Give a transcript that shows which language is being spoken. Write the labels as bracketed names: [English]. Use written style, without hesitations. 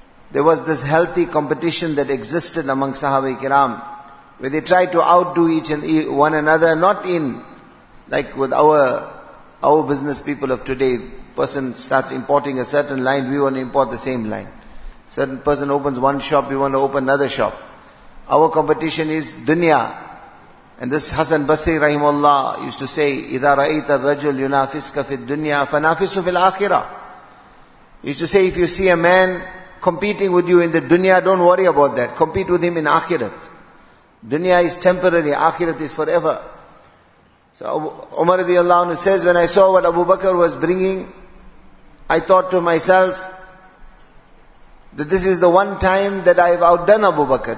[English] There was this healthy competition that existed among Sahaba-e-Kiram, where they tried to outdo each and one another, not in, like with our business people of today. Person starts importing a certain line, we want to import the same line. Certain person opens one shop, we want to open another shop. Our competition is dunya. And this Hasan Basri rahimahullah used to say, [Arabic] إِذَا رَأَيْتَ الرَّجُلْ يُنَافِسْكَ فِي الدُّنْيَا فَنَافِسُ فِي الْآخِرَةِ. [English] Used to say, if you see a man competing with you in the dunya, don't worry about that. Compete with him in akhirat. Dunya is temporary, akhirat is forever. So Umar radiallahu anhu says, when I saw what Abu Bakr was bringing, I thought to myself that this is the one time that I have outdone Abu Bakr.